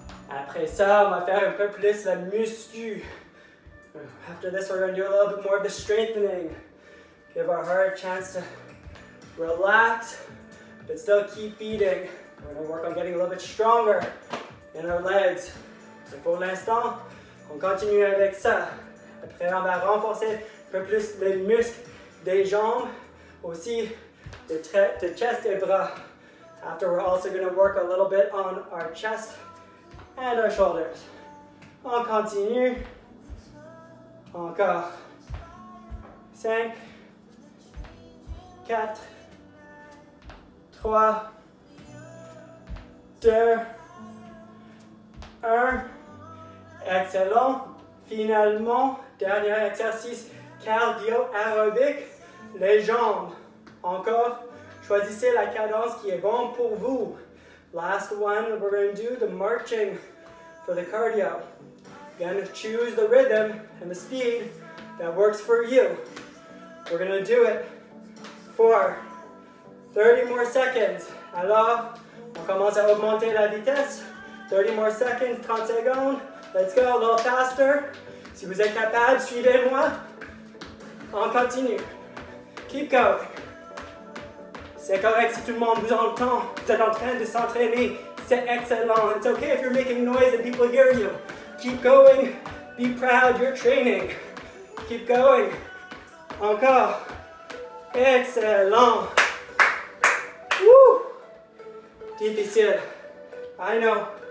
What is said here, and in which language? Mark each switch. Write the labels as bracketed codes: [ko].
[fr] Après ça, on va faire un peu plus la muscu. [en] After this, we're going to do a little bit more of the strengthening. Give our heart a chance to relax, but still keep beating. We're going to work on getting a little bit stronger in our legs. [fr] Et pour l'instant, on continue avec ça. Après, on va renforcer un peu plus les muscles des jambes, aussi de chest et bras. [en] After, we're also going to work a little bit on our chest and our shoulders. [fr] On continue. Encore. 5, 4, 3, 2, 1. Excellent. Finalement, dernier exercice cardio-aérobique. Les jambes. Encore. Choisissez la cadence qui est bonne pour vous. [en] Last one we're going to do, the marching for the cardio. Going to choose the rhythm and the speed that works for you. We're going to do it for 30 more seconds. [fr] Alors, on commence à augmenter la vitesse. [en] 30 more seconds, [fr] 30 secondes. [en] Let's go a little faster. [fr] Si vous êtes capable, suivez-moi. On continue. [en] Keep going. [fr] C'est correct si tout le monde vous entend. Vous êtes en train de s'entraîner. C'est excellent. [en] It's okay if you're making noise and people hear you. Keep going. Be proud. You're training. Keep going. [fr] Encore. [en] Excellent. Woo. Difficile. I know.